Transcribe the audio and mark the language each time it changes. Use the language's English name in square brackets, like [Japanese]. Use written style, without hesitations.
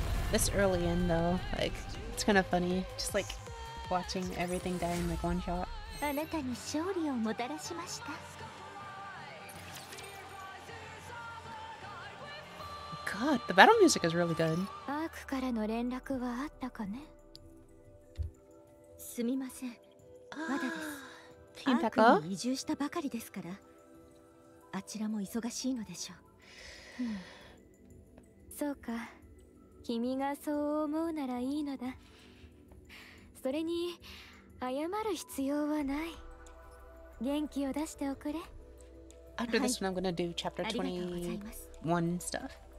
[English] This early in though, like it's kind of funny, just like watching everything die in like one shot. [Japanese] あなたに勝利をもたらしました。 [English] God, the battle music is really good. [Japanese] アークから連絡はあったかね。すみません。まだです。ピンタカ。移住したばかりですから。あちらも忙しいのでしょう。そうか。君がそう思うならいいのだ。それに謝る必要はない。元気を出しておくれ。 [English] After this one, I'm gonna do chapter 21 stuff.